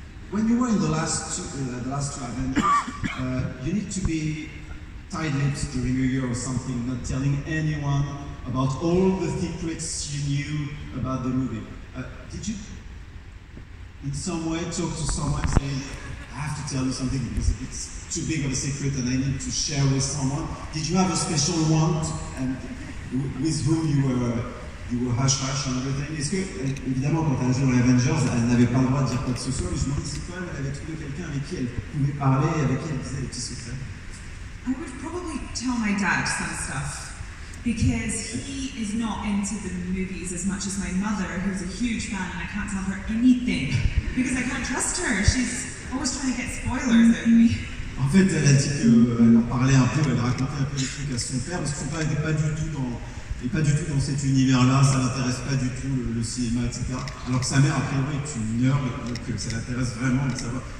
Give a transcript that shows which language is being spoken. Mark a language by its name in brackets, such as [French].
[English] When you were in the last two Avengers, you need to be tight-lipped during a year or something, not telling anyone about all the secrets you knew about the movie. Did you, in some way, talk to someone saying, I have to tell you something because it's too big of a secret and I need to share with someone? Did you have a special one and with whom you were hush-hush and everything? [French] Est-ce que, évidemment, quand elle jouait dans Avengers, elle n'avait pas le droit de dire quoi que ce soit, mais je me dis, c'est quand même, elle avait trouvé quelqu'un avec qui elle pouvait parler et avec qui elle disait les petits secrets. [English] I would probably tell my dad some stuff. Because he is not into the movies as much as my mother, who's a huge fan, and I can't tell her anything because I can't trust her. She's always trying to get spoilers at me. [French] En fait, elle a dit qu'elle en parlait un peu, elle racontait un peu les trucs à son père, parce que son père n'est pas du tout dans cet univers-là, ça l'intéresse pas du tout le cinéma, etc. Alors que sa mère, a priori, est une nerd, donc ça l'intéresse vraiment de savoir.